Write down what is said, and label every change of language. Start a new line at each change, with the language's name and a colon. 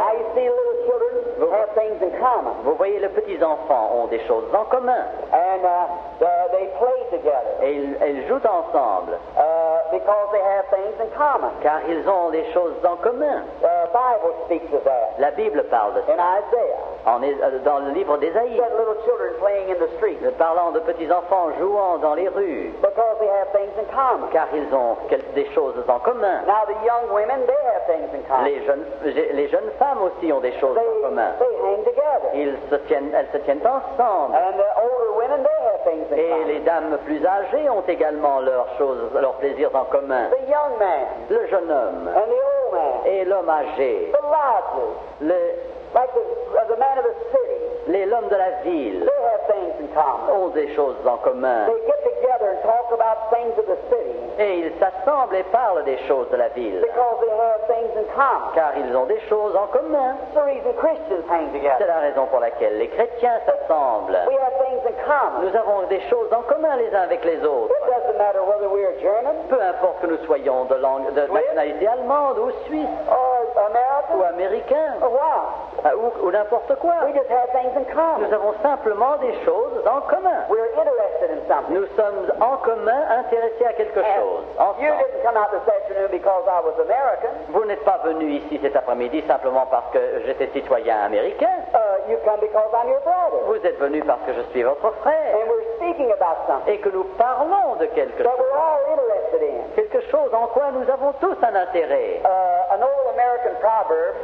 English: Now you see, little children have things in common.
French: Vous voyez, les petits enfants ont des choses en commun.
English: And they play together.
French: Et ils jouent ensemble.
English: Because they have things in common.
French: Car ils ont des choses en commun.
English: The Bible speaks of that.
French: La Bible parle de ça.
English: In Isaiah.
French: Dans le livre d'Ésaïe.
English: That little children playing in the street.
French: Parlant de petits enfants jouant dans les rues.
English: Because they have things in common.
French: Car ils ont des choses en commun.
English: Now the young women, they have things in common.
French: Les jeunes femmes aussi ont des choses en commun.
English: They hang together.
French: Elles se tiennent ensemble.
English: And the older women, they have things in common.
French: Et les dames plus âgées ont également leurs choses, leurs plaisirs en commun.
English: The young man.
French: Le jeune homme.
English: And the old man.
French: Et l'homme âgé.
English: The lively. Like the man of the city.
French: L'homme de la ville.
English: They have things in common.
French: Ont des choses en commun.
English: They get together and talk about things of the city.
French: Et ils s'assemblent et parlent des choses de la ville.
English: Because they have things in common.
French: Car ils ont des choses en commun.
English: That's the reason Christians hang together.
French: C'est la raison pour laquelle les chrétiens s'assemblent.
English: We have things in common.
French: Nous avons des choses en commun les uns avec les autres.
English: It doesn't matter whether we are German.
French: Peu importe que nous soyons de langue, de nationalité allemande ou suisse.
English: American.
French: Ou américain.
English: Or what?
French: Ou n'importe quoi.
English: We just have things in common.
French: Nous avons simplement des choses en commun.
English: We are interested in something.
French: Nous sommes en commun intéressés à quelque chose.
English: You didn't come out this afternoon because I was American.
French: Vous n'êtes pas venu ici cet après-midi simplement parce que j'étais citoyen américain.
English: You come because I'm your brother.
French: Vous êtes venu parce que je suis votre frère.
English: And we're speaking about something.
French: Et que nous parlons de quelque
English: that We're all interested in.
French: Quelque chose en quoi nous avons tous un intérêt.
English: An old American proverb.